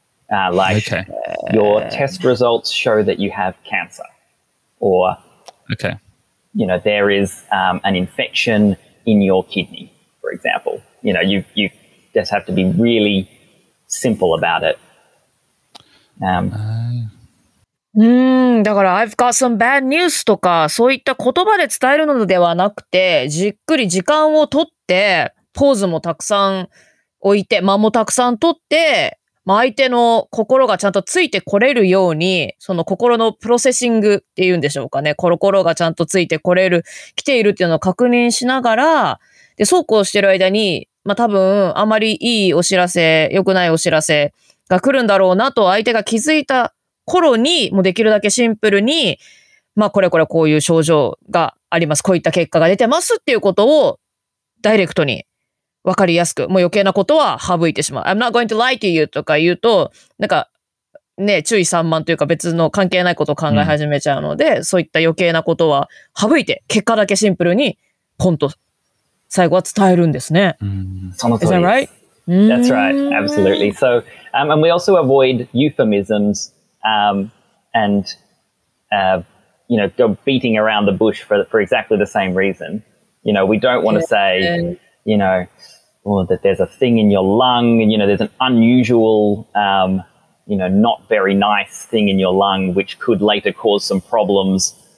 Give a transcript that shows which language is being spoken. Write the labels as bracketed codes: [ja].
[en] Your test results show that you have cancer, or, you know, there is an infection in your kidney, for example. You know, you just have to be really simple about it. [ja] だから [en] I've got some bad news [ja] とかそういった言葉で伝えるのではなくて、じっくり時間をとってポーズもたくさん置いて間もたくさんとって、まあ、相手の心がちゃんとついてこれるように、その心のプロセッシングっていうんでしょうかね、心がちゃんとついてこれる来ているっていうのを確認しながら、でそうこうしてる間に、まあ、多分あまりいいお知らせ、良くないお知らせが来るんだろうなと相手が気づいた頃に、もうできるだけシンプルに、まあこれこれこういう症状があります、こういった結果が出てますっていうことをダイレクトに分かりやすく、もう余計なことは省いてしまう。 [en] I'm not going to lie to you [ja] とか言うと、なんかね、注意散漫というか別の関係ないことを考え始めちゃうので、うん、そういった余計なことは省いて結果だけシンプルにポンと最後は伝えるんですね。その通り。 [en] Is that right? That's right, absolutely. So, and we also avoid euphemismsyou know, go beating around the bush for exactly the same reason. You know, we don't want to say, you know, well, that there's a thing in your lung, and, you know, there's an unusual, you know, not very nice thing in your lung, which could later cause some problems.